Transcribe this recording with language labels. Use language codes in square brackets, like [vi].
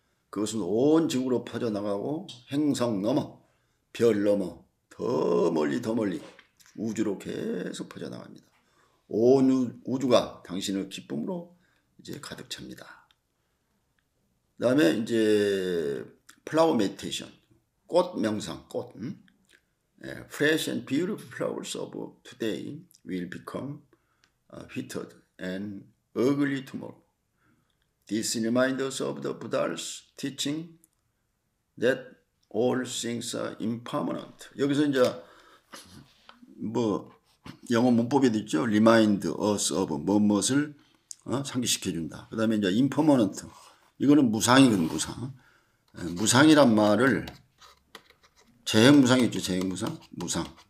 [ko] 그것은 온 지구로 퍼져나가고 행성 너머, 별 너머, 더 멀리 더 멀리 우주로 계속 퍼져나갑니다. 온 우주가 당신을 기쁨으로 이제 가득 찹니다. 그다음에 이제 플라워 메디테이션, 꽃 명상, 꽃. [en] 'Fresh and beautiful flowers of today will become withered and ugly tomorrow. This reminds us of the Buddha's teaching that all things are impermanent.' [ko] 여기서 이제 뭐 영어 문법에도 있죠. [en] 'Remind us of [ko] 무엇을 상기시켜 준다.' 그다음에 이제 impermanent. 이거는 무상이거든, 무상. 무상이란 말을 재행무상이 있죠, 재행무상. 무상.